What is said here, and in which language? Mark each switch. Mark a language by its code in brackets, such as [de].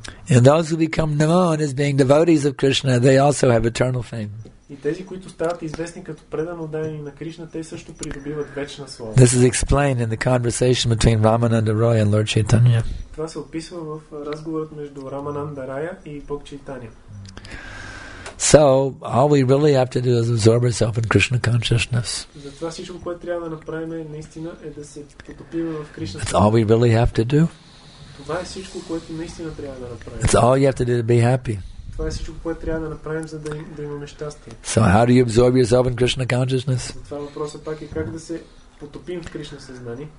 [en] And those who become known as being devotees of Krishna, they also have eternal fame. [bg] И тези, които стават известни като предано дадени на Кришна, те също придобиват вечна слава. [en] This is explained in the conversation between Ramananda Roy and Lord Chaitanya. [bg] Това се описва в разговорът между Рамананда Рая и Бог Чайтанья. [en] So, all we really have to do is absorb ourselves in Krishna consciousness. [bg] Затова всичко, което трябва да направим наистина е да се потопим в Кришна. [en] That's all we really have to do. [bg] Това е всичко, което наистина трябва да направим. [en] That's all you have to do to be happy. [bg] Това е всичко, което трябва да направим, за да имаме щастие. [en] So how do you absorb yourself in Krishna consciousness? [bg] Това въпросът пак е как да се потопим в Кришна съзнание.